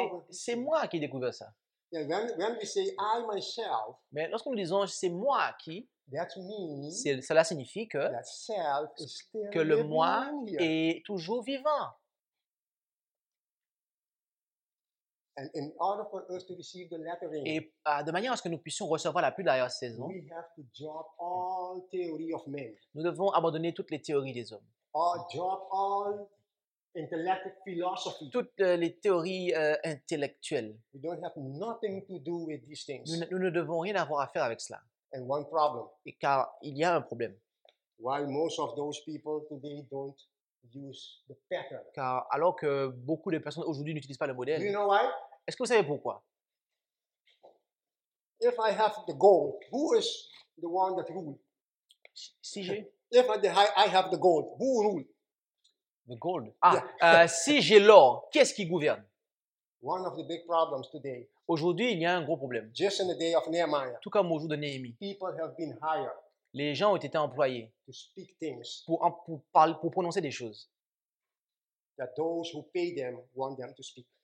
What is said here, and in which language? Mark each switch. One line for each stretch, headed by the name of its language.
French: C'est moi qui ai découvert ça.
English: When we say I myself,
French: mais lorsque nous disons c'est moi qui,
English: that means
French: cela signifie que
English: that self is still
French: que le moi est toujours vivant.
English: And in order for us to receive the lettering,
French: et de manière à ce que nous puissions recevoir la pluie de la saison,
English: we have to drop all theory of men.
French: Nous devons abandonner toutes les théories des hommes.
English: Or drop all intellectual philosophy.
French: Toutes les théories intellectuelles.
English: We don't have nothing to do with these things.
French: Nous ne devons rien avoir à faire avec cela.
English: And one problem.
French: Et car il y a un problème.
English: While most of those people today don't use the pattern.
French: Car alors que beaucoup de personnes aujourd'hui n'utilisent pas le modèle.
English: Do you know why?
French: Est-ce que vous savez pourquoi?
English: If I have the gold, who is the one that rules?
French: Si j'ai.
English: If I have the gold, who rules? The gold. Ah, yeah.
French: Si j'ai l'or, qui est-ce qui gouverne?
English: One of the big problems today.
French: Aujourd'hui, il y a un gros problème.
English: Just in the day of Nehemiah,
French: tout comme au jour de Néhémie.
English: People have been hired.
French: Les gens ont été employés
English: to speak things
French: pour prononcer des choses.
English: That those who pay them want them to speak.